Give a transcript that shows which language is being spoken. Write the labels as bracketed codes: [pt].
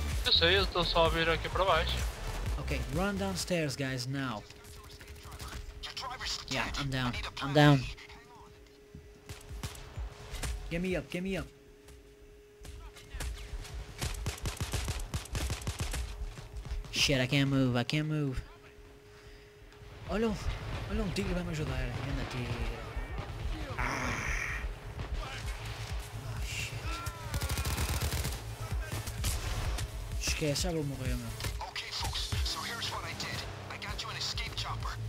[pt] Eu sei, eu estou só a vir aqui para baixo. [en] Ok, run downstairs, guys, now. Yeah, I'm down. I'm down. Get me up, get me up. Shit, I can't move, I can't move. [pt] Olha, olha um tigre vai me ajudar. Anda, tigre. Ah. Esquece, já vou morrer, meu. [en] Ok, folks, so here's what I did. I got you an escape chopper.